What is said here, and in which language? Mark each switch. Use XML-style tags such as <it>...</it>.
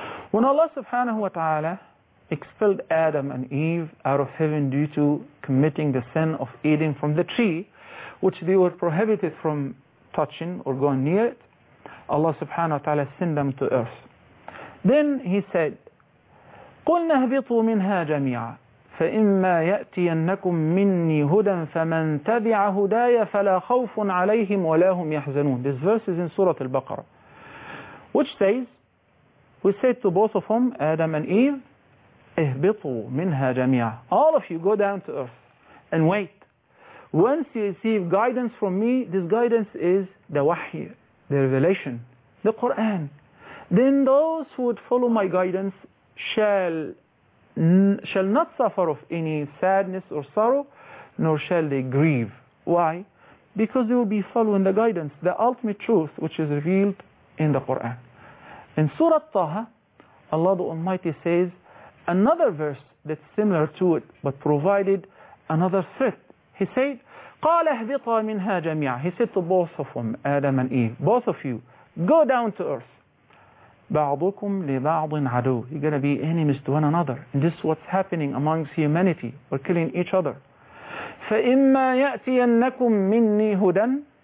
<en>When Allah subhanahu wa ta'ala expelled Adam and Eve out of heaven due to committing the sin of eating from the tree, which they were prohibited from touching or going near it, Allah subhanahu wa ta'ala sent them to earth. Then He said,</en> <ar>قلنا اهبطوا منها جميعا فإما يأتينكم مني هدى فمن تبع هداي فلا خوف عليهم ولا هم يحزنون.</ar> <en>This verse is in Surah Al-Baqarah, which says, we said to both of them, Adam and Eve,</en> <ar>اهبطوا منها جميعا.</ar> <en>All of you go down to earth and wait. Once you receive guidance from me, this guidance is the wahy, the revelation, the Quran. Then those who would follow my guidance shall not suffer of any sadness or sorrow, nor shall they grieve. Why? Because they will be following the guidance, the ultimate truth, which is revealed in the Quran. In Surah Taha, Allah the Almighty says another verse that's similar to it, but provided another threat. He said,</en> <ar>قَالَ اهْبِطَا مِنْهَا جَمِيعًا.</ar> <en>He said to both of them, Adam and Eve, both of you, go down to earth.</en> <ar>بَعْضُكُمْ لِبَعْضٍ عَدُوٍ.</ar> <en>You're going to be enemies to one another. And this is what's happening amongst humanity. We're killing each other.</en> <ar>فَإِمَّا يَأْتِيَنَّكُمْ مِنِّي هُدًى.</ar>